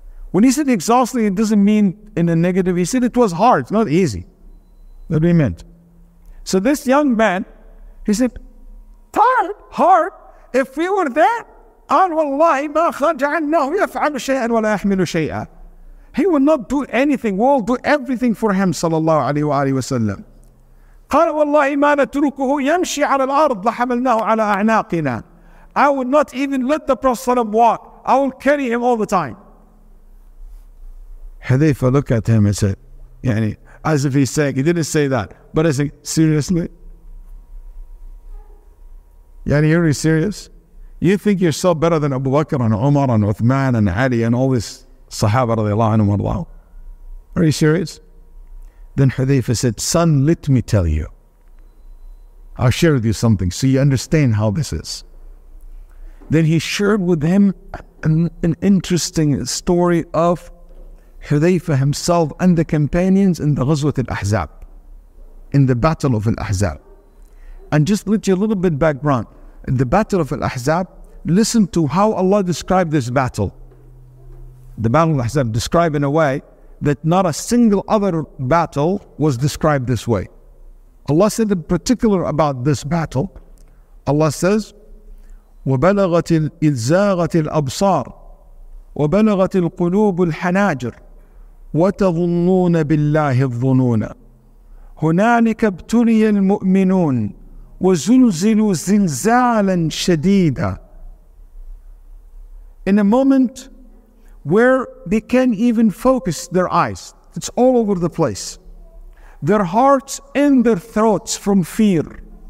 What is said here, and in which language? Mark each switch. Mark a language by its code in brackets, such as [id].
[en] When he said exhausting, it doesn't mean in a negative. He said it was hard, not easy. That's what he meant. So this young man, he said, tired, hard. If we were there, [ar] قال والله ما خرج عنه يفعل شيئا ولا يحمل شيئا. [en] He will not do anything, we'll do everything for him [ar] صلى الله عليه وآله وسلم. قال والله ما نتركه يمشي على الأرض لحملناه على أعناقنا. [en] I will not even let the Prophet walk, I will carry him all the time. حذيفة look at him and said, [ar] يعني [en] as if he's saying, he didn't say that, but I said, seriously? [ar] يعني [en] you're really serious? You think you're so better than Abu Bakr and Umar and Uthman and Ali and all this Sahaba [ar] رضي الله عنهم وارضاهم? [en] Are you serious? Then Hudhayfa said, son, let me tell you. I'll share with you something so you understand how this is. Then he shared with him an interesting story of Hudhayfa himself and the companions in the Ghazwat al-Ahzab, in the Battle of al-Ahzab. And just let you a little bit background. In the Battle of al-Ahzab, listen to how Allah described this battle. The Battle of al-Ahzab described in a way that not a single other battle was described this way. Allah said in particular about this battle, Allah says, [ar] وَبَلَغَتِ الْإِزَاغَةِ الْأَبْصَارِ وَبَلَغَتِ الْقُلُوبُ الْحَنَاجِرِ وَتَظُنُّونَ بِاللَّهِ الظُّنُونَ هُنَالِكَ ابْتُلِيَ الْمُؤْمِنُونَ وَزُلْزِلُوا زِلْزَالًا شَدِيدًا. [en] In a moment where they can't even focus their eyes. It's all over the place. Their hearts and their throats from fear.